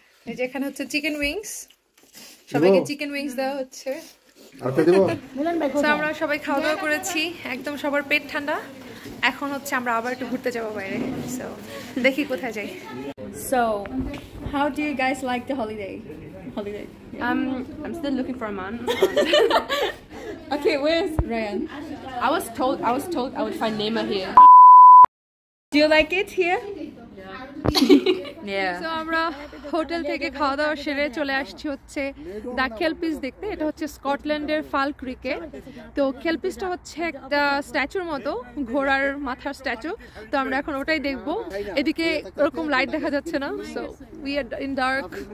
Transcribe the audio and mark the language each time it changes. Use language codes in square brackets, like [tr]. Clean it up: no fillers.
[bn] এই যে এখানে হচ্ছে চিকেন উইংস, সবাইকে চিকেন উইংস দেওয়া হচ্ছে। আমরা সবাই খাওয়া দাওয়া করেছি, একদম সবার পেট ঠান্ডা। এখন হচ্ছে আমরা আবার একটু ঘুরতে যাবো বাইরে, সো দেখি কোথায় যাই। [en] So how do you guys like the holiday? I'm still looking for a man. Okay, where's Ryan? I was told I would find Neymar here. Do you like it here? Yeah. [bn] So আমরা hotel থেকে খাওয়া দাওয়া সেরে চলে আসছি হচ্ছে the কেলপিস দেখতে। এটা হচ্ছে স্কটল্যান্ডের ফালকিরকে। তো কেলপিসটা হচ্ছে একটা স্ট্যাচুর মতো, ঘোড়ার মাথার স্ট্যাচু। তো আমরা এখন ওটাই দেখবো। এদিকে ওরকম লাইট দেখা যাচ্ছে না, [en] So we are in dark.